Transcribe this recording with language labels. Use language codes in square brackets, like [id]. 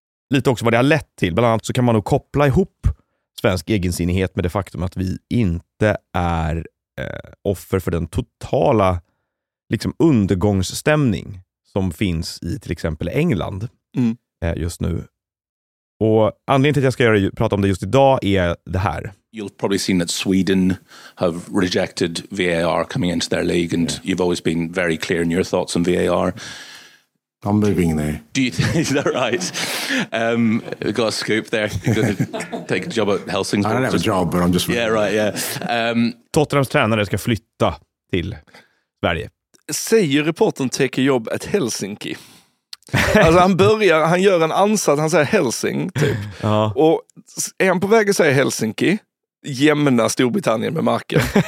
[sv] Lite också vad det har lett till. Bland annat så kan man nog koppla ihop svensk egensinnighet med det faktum att vi inte är offer för den totala liksom undergångsstämning som finns i till exempel England just nu. Och anledningen till att jag ska prata om det just idag är det här. [en] You've probably seen that Sweden have rejected VAR coming into their league and you've always been very clear in your thoughts on VAR. I'm moving there. Do you think, is that right? Got a scoop there. Take a job at Helsingborg. I don't have a job, but I'm just... Yeah, right, yeah. [sv] Tottenhams tränare ska flytta till Sverige. Säger reporten [en] take a job at Helsinki? [sv] Alltså han gör en ansats, han säger Helsing, typ. Ja. Och är han på väg att säga Helsinki, jämna Storbritannien med marken.